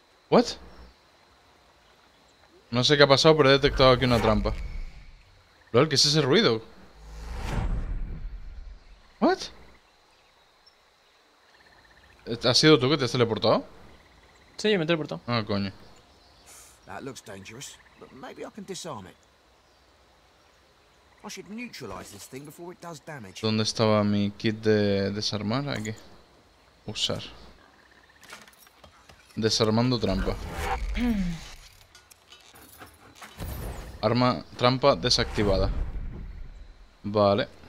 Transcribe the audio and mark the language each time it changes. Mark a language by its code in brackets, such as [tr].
[en] ¿What? [es] No sé qué ha pasado, pero he detectado aquí una trampa. Lol, ¿qué es ese ruido? [en] ¿What? [es] ¿Has sido tú que te has teleportado? Sí, yo me he teleportado. Ah, coño. [en] That looks dangerous, but maybe I can disarm it. I should neutralize this thing before it does damage. [es] ¿Dónde estaba mi kit de desarmar? Aquí. Usar. Desarmando trampa. Arma trampa desactivada. Vale.